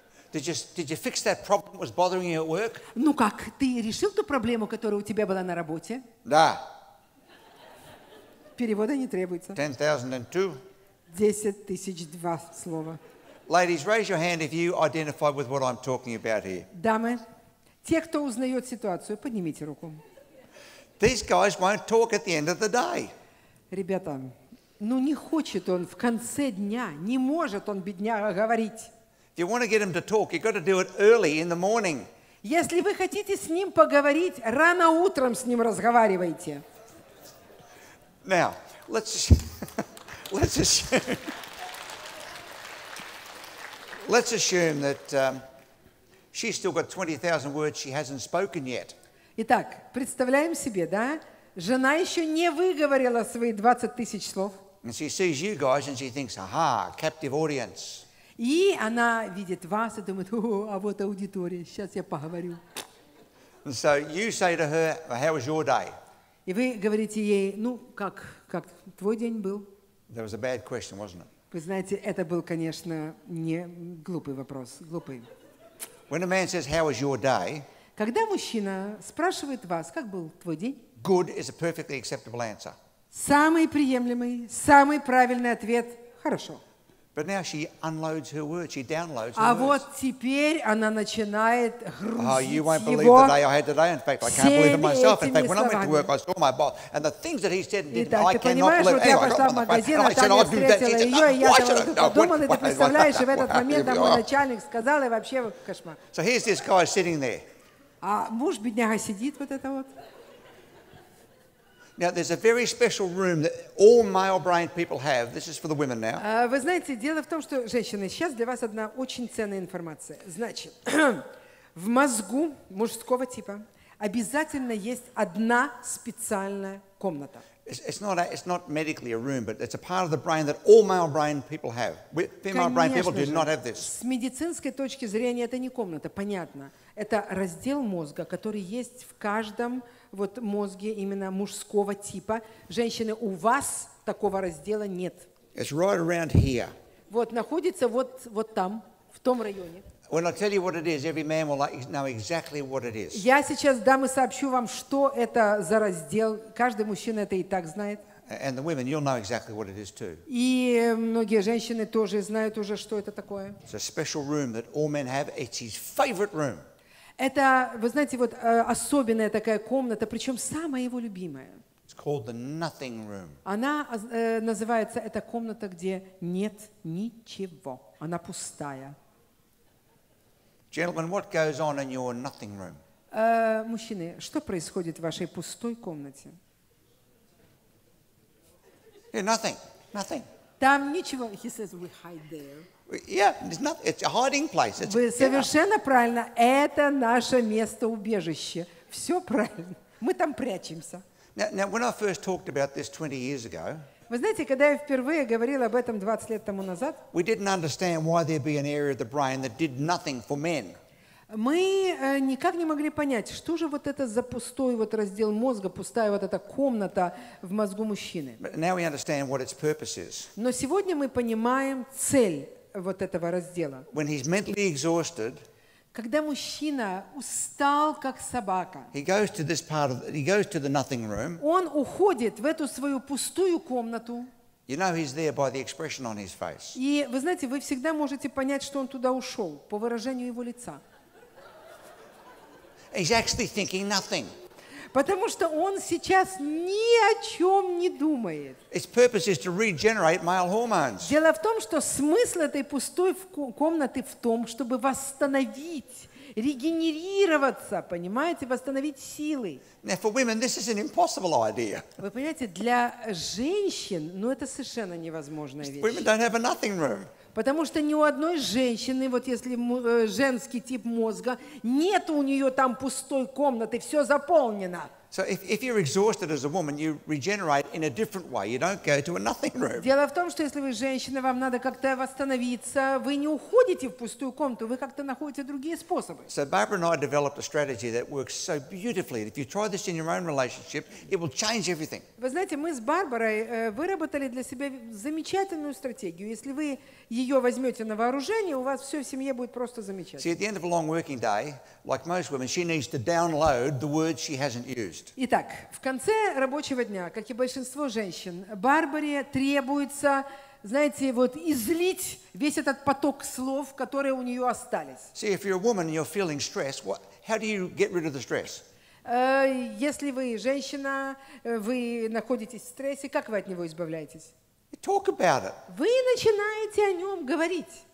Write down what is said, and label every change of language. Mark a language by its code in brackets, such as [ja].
[en] Did you fix that problem that was bothering you at work? [ru] Ну как, ты решил ту проблему, которая у тебя была на работе? Да. Перевода не требуется. 10,002. 10,002 слова. [en] Ladies, raise your hand if you identify with what I'm talking about here. [ru] Дамы, те, кто узнает ситуацию, поднимите руку. [en] These guys won't talk at the end of the day. [ru] Ребята, ну не хочет он в конце дня, не может он, бедняга, говорить. [en] If you want to get him to talk, you've got to do it early in the morning. [ru] Если вы хотите с ним поговорить, рано утром с ним разговаривайте. [en] Now, let's assume that she's still got 20,000 words she hasn't spoken yet. [ru] Итак, представляем себе, да? Жена еще не выговорила свои 20,000 слов. [en] And she sees you guys and she thinks, aha, captive audience. [ru] И она видит вас и думает, о, а вот аудитория, сейчас я поговорю. [en] And so you say to her, how was your day? [ru] И вы говорите ей, ну, как твой день был? [en] That was a bad question, wasn't it? [ru] Вы знаете, это был, конечно, не глупый вопрос, глупый. [en] When a man says, how was your day? [ru] Когда мужчина спрашивает вас, как был твой день? [en] Good is a perfectly acceptable answer. [ru] Самый приемлемый, самый правильный ответ – хорошо. [en] But now she unloads her words, she downloads her words. [ru] А вот теперь она начинает грузить его. [en] You won't believe the day I had today. In fact, I can't believe it myself. In fact, when I went to work, I saw my boss and the things that he said and did, I cannot believe. [ru] Итак, ты понимаешь, вот я пошла в магазин, а там я встретила ее, и я думала, ты представляешь, и в этот момент там мой начальник сказал, и вообще кошмар. [en] So here's this guy sitting there. [ru] А муж, бедняга, сидит вот это вот. [en] Now there's a very special room that all male-brained people have. This is for the women now. [ru] Вы знаете, дело в том, что женщины, сейчас для вас одна очень ценная информация. Значит, в мозгу мужского типа обязательно есть одна специальная комната. [en] It's not medically a room, but it's a part of the brain that all male-brained people have. Female-brained people do not have this. [ru] С медицинской точки зрения это не комната, понятно. Это раздел мозга, который есть в каждом вот мозге именно мужского типа. Женщины, у вас такого раздела нет. [en] It's right around here. [ru] Вот, находится вот там, в том районе. [en] When I tell you what it is, every man will know exactly what it is. [ru] Я сейчас дам и сообщу вам, что это за раздел. Каждый мужчина это и так знает. [en] And the women, you'll know exactly what it is too. [ru] И многие женщины тоже знают уже, что это такое. [en] It's a special room that all men have. It's his favorite room. [ru] Это, вы знаете, вот особенная такая комната, причем самая его любимая. [en] It's called the nothing room. [ru] Она называется, это комната, где нет ничего. Она пустая. [en] Gentlemen, what goes on in your nothing room? [ru] Мужчины, что происходит в вашей пустой комнате? [en] Yeah, nothing. Nothing. [ru] Там ничего. [en] He says we hide there. Yeah, it's not. It's a hiding place. [ru] Вы совершенно правильно. Это наше место убежище. Все правильно. Мы там прячемся. [en] Now, when I first talked about this 20 years ago. [ru] Вы знаете, когда я впервые говорил об этом 20 лет тому назад, [en] we didn't understand why there'd be an area of the brain that did nothing for men. [ru] Мы никак не могли понять, что же вот это за пустой вот раздел мозга, пустая вот эта комната в мозгу мужчины. [en] But now we understand what its purpose is. [ru] Но сегодня мы понимаем цель вот этого раздела. [en] When he's mentally exhausted, [ru] когда мужчина устал, как собака, он уходит в эту свою пустую комнату. [en] You know he's there by the expression on his face. [ru] И вы знаете, вы всегда можете понять, что он туда ушел, по выражению его лица. [en] He's actually thinking nothing. [ru] Потому что он сейчас ни о чем не думает. [en] Its purpose is to regenerate male hormones. [ru] Дело в том, что смысл этой пустой комнаты в том, чтобы восстановить, регенерироваться, понимаете, восстановить силы. [en] Now for women, this is an impossible idea. [ru] Вы понимаете, для женщин, ну это совершенно невозможная вещь. [en] Women don't have a nothing room. [ru] Потому что ни у одной женщины, вот если женский тип мозга, нет у нее там пустой комнаты, все заполнено. [en] So if you're exhausted as a woman, you regenerate in a different way. You don't go to a nothing room. [ru] Дело в том, что если вы женщина, вам надо как-то восстановиться. Вы не уходите в пустую комнату. Вы как-то находите другие способы. [en] So Barbara and I developed a strategy that works so beautifully. If you try this in your own relationship, it will change everything. [ru] Вы знаете, мы с Барбарой выработали для себя замечательную стратегию. Если вы ее возьмете на вооружение, у вас все в семье будет просто замечательно. [en] See, at the end of a long working day, like most women, she needs to download the words she hasn't used. [ru] Итак, в конце рабочего дня, как и большинство женщин, Барбаре требуется, знаете, вот излить весь этот поток слов, которые у нее остались. [en] See, if you're a woman and you're feeling stressed, what, how do you get rid of the stress? [ru] Если вы женщина, вы находитесь в стрессе, как вы от него избавляетесь? [en] You talk about it. [ru] Вы начинаете о нем говорить.